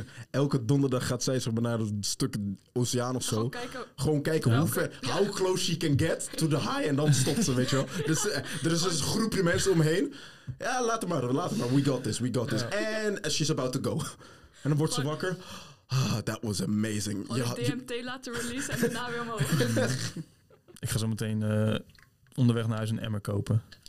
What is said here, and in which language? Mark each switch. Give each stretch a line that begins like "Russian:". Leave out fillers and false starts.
Dutch: Elke donderdag gaat zij zeg maar naar een stuk oceaan of zo. Gewoon kijken hoe ver,
English: how close she can get to the high.
Dutch: En dan stopt ze, weet je wel. Dus er is een groepje mensen omheen. Ja, laat maar.
English: We got this. And she's about to go.
Dutch: En dan wordt ze wakker.
English: Ah, that was amazing.
Dutch: Ja, DMT laten release en daarna weer omhoog. Ik ga zo meteen onderweg naar huis een emmer kopen.